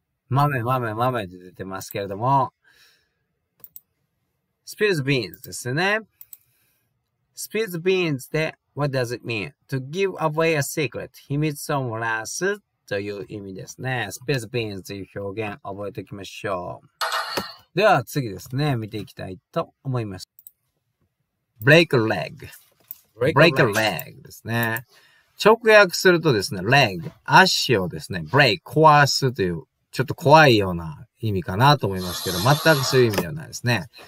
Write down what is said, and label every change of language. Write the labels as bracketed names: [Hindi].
[Japanese] 豆、豆、豆で出てますけれども。 [English] Spill the beans ですね。 Spill the beans で、what does it mean? To give away a secret. [Japanese] 秘密を漏らすという意味ですね。 Spill the beans という表現覚えておきましょう。では次ですね。見ていきたいと思います。 [English] Break a leg. Break a leg [Japanese] ですね。直訳するとですね、leg、足をですね、break、壊すという、ちょっと怖いような意味かなと思いますけど、全くそういう意味ではないですね。